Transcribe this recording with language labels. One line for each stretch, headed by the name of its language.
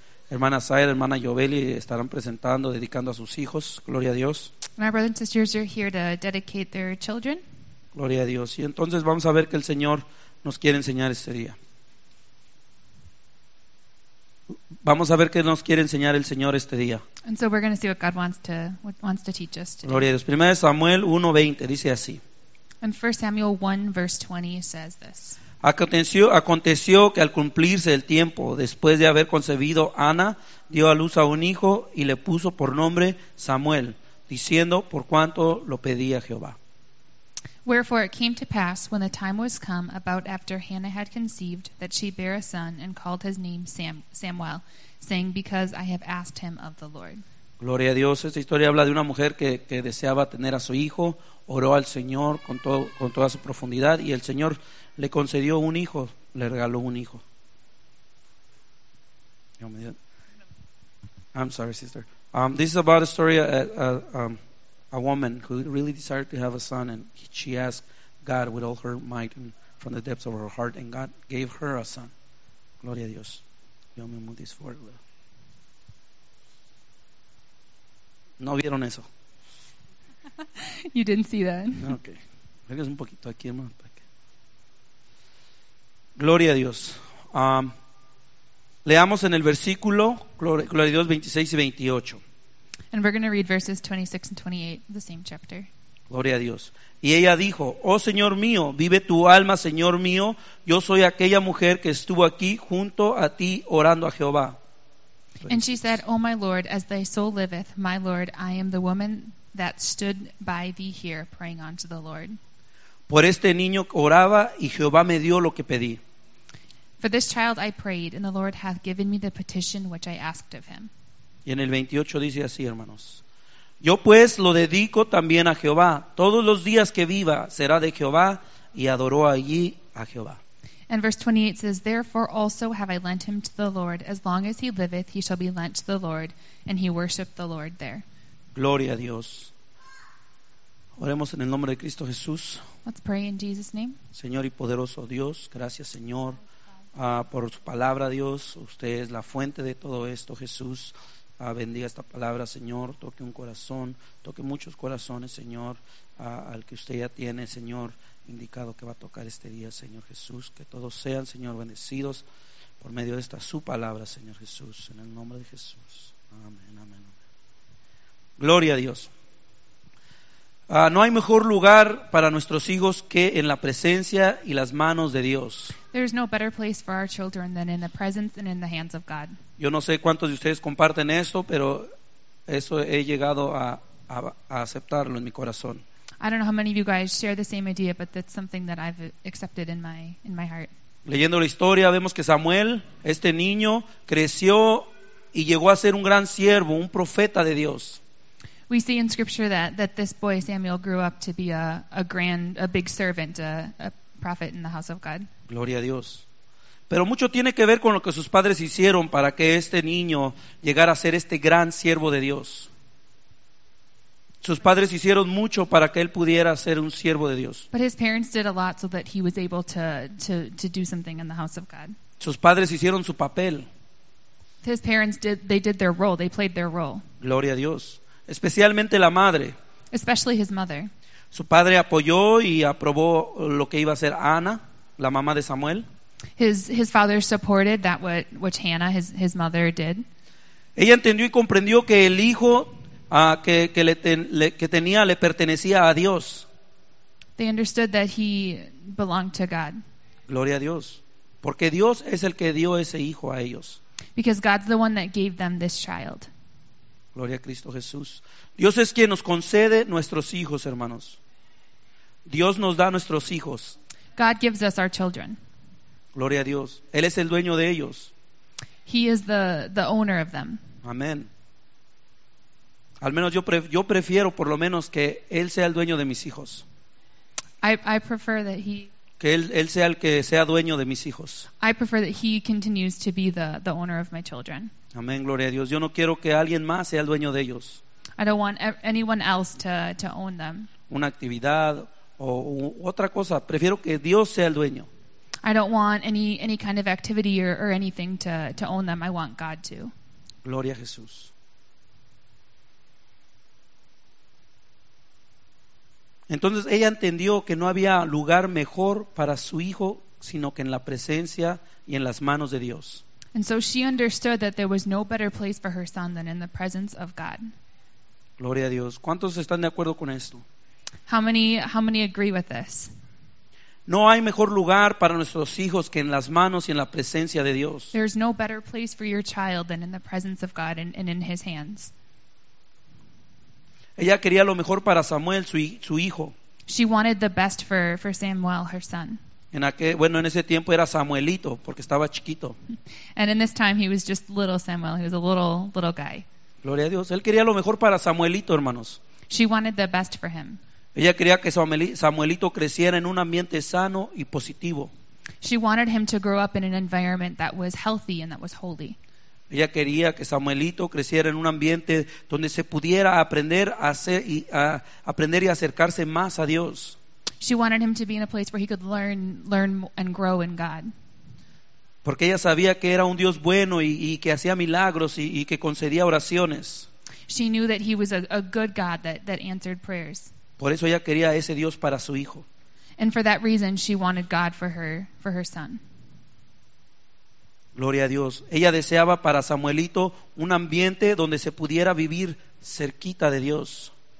Spanish: Hermana Zaira, hermana Yoveli estarán presentando, dedicando a sus hijos. Gloria a Dios.
English: And our brothers and sisters are here to dedicate their children.
Spanish: Gloria a Dios. Y entonces vamos a ver qué el Señor nos quiere enseñar este día. Vamos a ver qué nos quiere enseñar el Señor este día.
English: And so we're going to see what God wants to teach us today.
Spanish: Gloria a Dios. Primera de Samuel 1:20 dice así.
English: And 1 Samuel 1 verse 20 says this.
Spanish: Aconteció que al cumplirse el tiempo, después de haber concebido Ana, dio a luz a un hijo y le puso por nombre Samuel, diciendo, por cuanto lo pedía Jehová.
English: Wherefore it came to pass, when the time was come, about after Hannah had conceived, that she bare a son, and called his name Samuel, saying, because I have asked him of the Lord.
Spanish: Gloria a Dios. Esta historia habla de una mujer que deseaba tener a su hijo, oró al Señor con toda su profundidad, y el Señor le concedió un hijo, le regaló un hijo.
English: I'm sorry, sister. This is about a story of a woman who really desired to have a son, and she asked God with all her might and from the depths of her heart, and God gave her a son.
Spanish: Gloria a Dios.
English: Let me move this forward a little.
Spanish: No vieron eso.
English: You didn't see that.
Spanish: Okay. Venga un poquito aquí, hermano. Gloria a Dios. Leamos en el versículo, gloria a Dios, 26 y 28.
English: And we're going to read verses 26 and 28, the same chapter.
Spanish: Gloria a Dios. Y ella dijo, oh Señor mío, vive tu alma, Señor mío, yo soy aquella mujer que estuvo aquí junto a ti orando a Jehová.
English: And she said, oh my Lord, as thy soul liveth, my Lord, I am the woman that stood by thee here praying unto the Lord.
Spanish: Por este niño oraba y Jehová me dio lo que pedí.
English: For this child I prayed, and the Lord hath given me the petition which I asked of him.
Spanish: Y en el 28 dice así, hermanos. Yo pues lo dedico también a Jehová. Todos los días que viva será de Jehová, y adoró allí a Jehová.
English: And verse 28 says, therefore also have I lent him to the Lord. As long as he liveth, he shall be lent to the Lord, and he worshipped the Lord there.
Spanish: Gloria a Dios. Oremos en el nombre de Cristo Jesús.
English: Let's pray in Jesus' name.
Spanish: Señor y poderoso Dios, gracias Señor por su palabra, Dios. Usted es la fuente de todo esto, Jesús. Bendiga esta palabra, Señor. Toque un corazón, toque muchos corazones, Señor, al que usted ya tiene, Señor, indicado que va a tocar este día, Señor Jesús. Que todos sean, Señor, bendecidos por medio de esta su palabra, Señor Jesús. En el nombre de Jesús. Amén, amén, amén. Gloria a Dios. No hay mejor lugar para nuestros hijos que en la presencia y las manos de Dios.
English: There's no better place for our children than in the presence and in the hands of God.
Spanish: Yo no sé cuántos de ustedes comparten esto, pero eso he llegado a aceptarlo en mi corazón.
English: I don't know how many of you guys share the same idea, but that's something that I've accepted in my heart.
Spanish: Leyendo la historia, vemos que Samuel, este niño, creció y llegó a ser un gran siervo, un profeta de Dios.
English: We see in scripture that this boy Samuel grew up to be a big servant, a prophet in the house of God.
Spanish: Gloria a Dios. Pero mucho tiene que ver con lo que sus padres hicieron para que este niño llegara a ser este gran siervo de Dios. Sus padres hicieron mucho para que él pudiera ser un siervo de Dios.
English: But his parents did a lot so that he was able to do something in the house of God.
Spanish: Sus padres hicieron su papel.
English: His parents did their role. They played their role.
Spanish: Gloria a Dios. Especialmente la madre.
English: Especially his mother.
Spanish: Su padre apoyó y aprobó lo que iba a hacer Ana, la mamá de Samuel.
English: His father supported that which Hannah, his mother, did.
Spanish: Ella entendió y comprendió que el hijo que tenía, le pertenecía a Dios.
English: They understood that he belonged to God.
Spanish: Gloria a Dios, porque Dios es el que dio ese hijo a ellos.
English: Because God's the one that gave them this child.
Spanish: Gloria a Cristo Jesús. Dios es quien nos concede nuestros hijos, hermanos. Dios nos da nuestros hijos.
English: God gives us our children.
Spanish: Gloria a Dios. Él es el dueño de ellos.
English: He is the owner of them.
Spanish: Amén. Al menos yo prefiero por lo menos que él sea el dueño de mis hijos.
English: I prefer that he
Spanish: Que él sea el que sea dueño de mis hijos.
English: I prefer that he continues to be the owner of my children.
Spanish: Amén, gloria a Dios. Yo no quiero que alguien más sea el dueño de ellos.
English: I don't want anyone else to own them.
Spanish: Una actividad o otra cosa, prefiero que Dios sea el dueño.
English: I don't want any kind of activity or anything to own them. I want God to.
Spanish: Gloria a Jesús. Entonces ella entendió que no había lugar mejor para su hijo sino que en la presencia y en las manos de Dios.
English: And so she understood that there was no better place for her son than in the presence of God.
Spanish: Gloria a Dios. ¿Cuántos están de acuerdo con esto?
English: How many agree with this?
Spanish: No hay mejor lugar para nuestros hijos que en las manos y en la presencia de Dios.
English: There's no better place for your child than in the presence of God and in his hands.
Spanish: Ella quería lo mejor para Samuel, su hijo.
English: She wanted the best for Samuel, her son.
Spanish: En ese tiempo era Samuelito, porque estaba chiquito.
English: And in this time he was just little Samuel, he was a little guy.
Spanish: Gloria a Dios, él quería lo mejor para Samuelito, hermanos.
English: She wanted the best for him.
Spanish: Ella quería que Samuelito creciera en un ambiente sano y positivo.
English: She wanted him to grow up in an environment that was healthy and that was holy.
Spanish: Ella quería que Samuelito creciera en un ambiente donde se pudiera aprender y acercarse más a Dios.
English: She wanted him to be in a place where he could learn and grow in God.
Spanish: Porque ella sabía que era un Dios bueno y que hacía milagros y que concedía oraciones.
English: She knew that he was a good God that answered prayers.
Spanish: Por eso ella quería ese Dios para su hijo.
English: And for that reason she wanted God for her son.
Spanish: Gloria a Dios. Ella deseaba para Samuelito un ambiente donde se pudiera vivir cerquita de Dios.